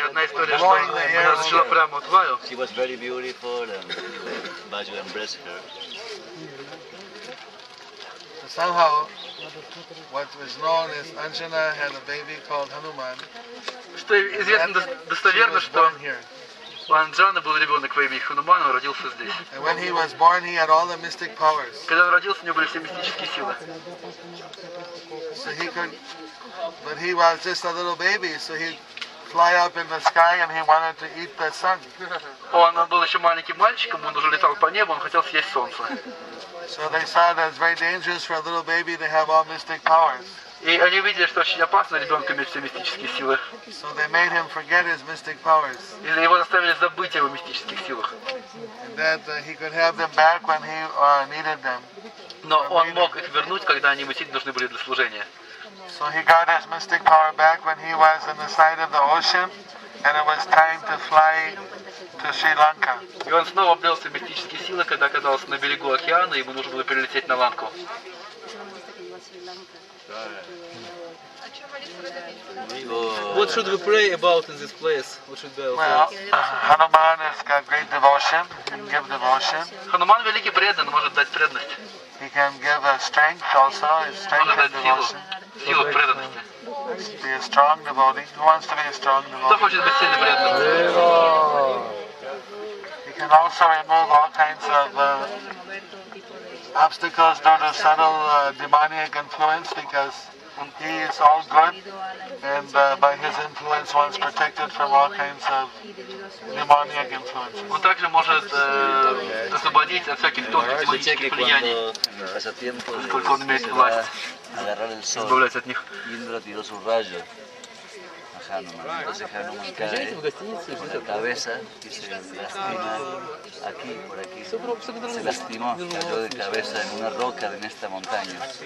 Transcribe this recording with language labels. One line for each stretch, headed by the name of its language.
Russian: Одна история, что она зашла прямо от Ваю.
English: She was very beautiful and Baju embraced her. So somehow, what was known is Anjana had a baby called Hanuman.
Russian: Что известно достоверно, что у Анджаны был ребенок во имя Хануман, он родился здесь.
English: And when he was born, he had all the mystic powers.
Russian: Когда он родился, у него были все мистические силы.
English: So he could, but he was just a little baby, so he fly up in the sky and he wanted to eat the sun.
Russian: Он был еще маленьким мальчиком, он уже летал по небу, он хотел съесть солнце.
English: So they saw that it's very dangerous for a little baby, they have all mystic powers.
Russian: И они видели, что очень опасно ребенку иметь все мистические силы.
English: So they made him forget his mystic powers.
Russian: И его заставили забыть о его мистических силах.
English: And that he could have them back when he needed them.
Russian: Но он мог их вернуть, когда они ему нужны были для служения.
English: So he got his mystic power back when he was on the side of the ocean and it was time to fly to Sri Lanka.
Russian: И он снова обрел мистические силы, когда оказался на берегу океана, ему нужно было перелететь на Ланку.
English: What should we pray about in this place? What should be our place? Well, Hanuman has got great devotion. He can give devotion.
Russian: Хануман великий предан, может дать преданность.
English: He can give a strength also, his strength and devotion.
Russian: Сила преданности.
English: Be a strong devotee. Who wants to be a strong devotee?
Russian: Кто хочет быть сильным преданным?
English: He can also remove all kinds of obstacles due to subtle demonic influence because he is all good and by his influence one is protected from all kinds of demonic influence.
Russian: Он также может освободить от всяких тонких демонических влияний, поскольку он имеет власть избавляться от них. Индра тиро су раджа.
Spanish: Entonces Hanuman cae con la cabeza y se lastima aquí, por aquí. Se lastimó, cayó de cabeza en una roca en esta montaña.